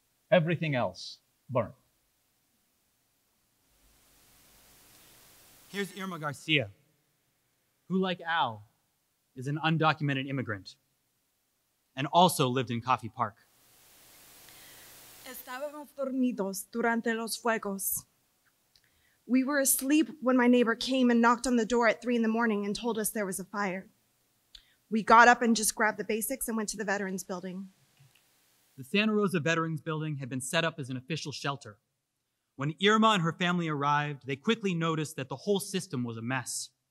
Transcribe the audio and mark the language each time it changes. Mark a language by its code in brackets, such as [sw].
[en] Everything else burned. Here's Irma Garcia, who, like Al, is an undocumented immigrant and also lived in Coffee Park. [es] Estábamos dormidos durante los fuegos. [en] We were asleep when my neighbor came and knocked on the door at 3 a.m. and told us there was a fire. We got up and just grabbed the basics and went to the Veterans Building. The Santa Rosa Veterans Building had been set up as an official shelter. When Irma and her family arrived, they quickly noticed that the whole system was a mess.